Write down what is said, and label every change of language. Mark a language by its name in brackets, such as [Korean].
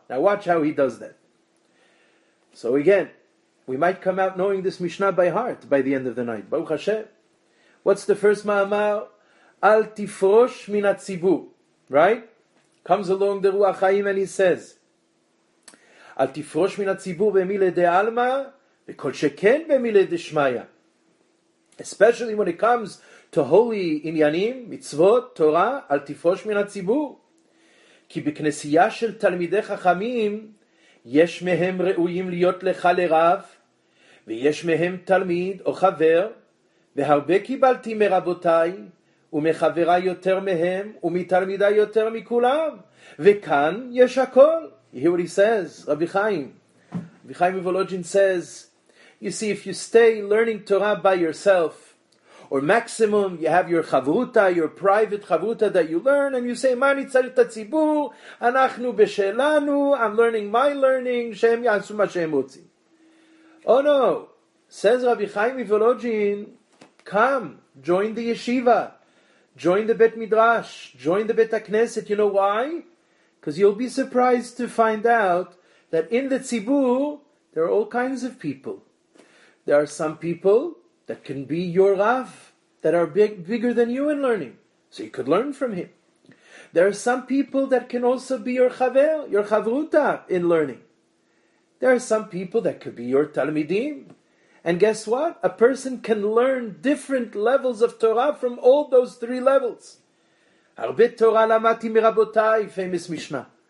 [English] Now watch how he does that. So again, we might come out knowing this Mishnah by heart by the end of the night. Baruch Hashem. What's the first ma'amar? [Hebrew] Al tifrosh min hatzibur. [English] Right? Comes along the Ruach Haim and he says, [Hebrew] אל תפרוש מן הציבור במילה דה אלמה, וכל שכן במילה דשמיה. [English] Especially when it comes to holy עניינים, מצוות, תורה, [Hebrew] אל תפרוש מן הציבור. כי בכנסייה של תלמידי חכמים, יש מהם ראויים להיות לך לרב, ויש מהם תלמיד או חבר, והרבה קיבלתי מרבותיי, ומחברי יותר מהם, ומתלמידי יותר מכולם, וכאן יש הכל. [English] You hear what he says, Rabbi Chaim. Rabbi Chaim Volozhin says, you see, if you stay learning Torah by yourself, or maximum you have your chavruta, your private chavruta that you learn, and you say, [Hebrew] מה אני צריך את הציבור? אנחנו בשלנו, [English] I'm learning my learning, [Hebrew] שהם יעשו מה שהם רוצים. [English] Oh no, says Rabbi Chaim Volozhin, come, join the yeshiva, join the Bet Midrash, join the Bet HaKnesset. You know why? Because you'll be surprised to find out that in the Tzibur, there are all kinds of people. There are some people that can be your Rav, that are bigger than you in learning, so you could learn from him. There are some people that can also be your Chavel, your Chavruta in learning. There are some people that could be your Talmidim. And guess what? A person can learn different levels of Torah from all those three levels. [Hebrew] הרבה תורה למדתי מרבותיי, [English] famous [Hebrew] משנה.